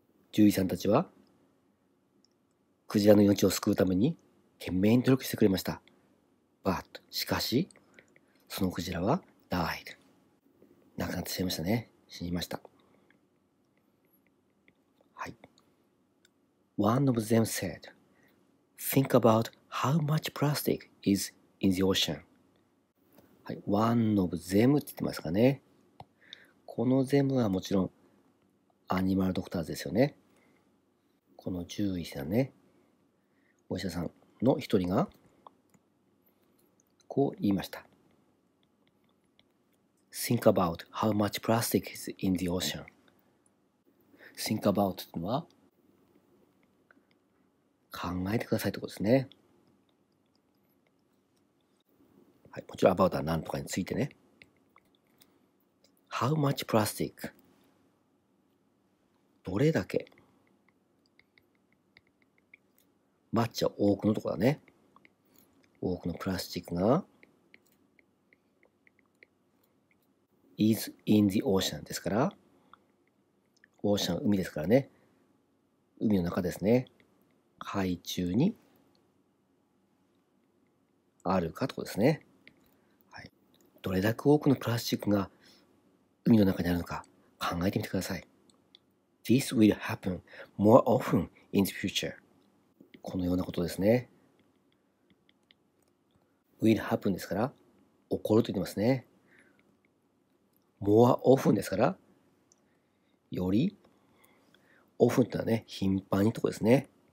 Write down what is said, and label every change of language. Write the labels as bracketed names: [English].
[Japanese] 獣医さんたちはクジラの命を救うために懸命に努力してくれました。 But、しかし、そのクジラは died。亡くなってしまいましたね。死にました。はい。 [English] One of them said, Think about how much plastic is in the ocean. [Japanese] はい。 [English] One of them [Japanese] って言ってますかね。この them はもちろん、アニマルドクターズですよね。この獣医さんね。お医者さんの一人が、こう言いました。 [English] Think about how much plastic is in the ocean. Think about [Japanese] というのは、考えてくださいということですね。はい、もちろん about は何とかについてね。 [English] How much plastic? [Japanese] どれだけ？ Much は多くのところだね。多くのプラスチックが、 [English] is in the ocean [Japanese] ですから、オーシャン海ですからね、海の中ですね、海中にあるかということですね、はい。どれだけ多くのプラスチックが海の中にあるのか考えてみてください。 [English] This will happen more often in the future。 [Japanese] このようなことですね。 [English] Will happen [Japanese] ですから、起こると言ってますね。 [English] more often [Japanese] ですから、より、often ってのはね、頻繁にとこですね。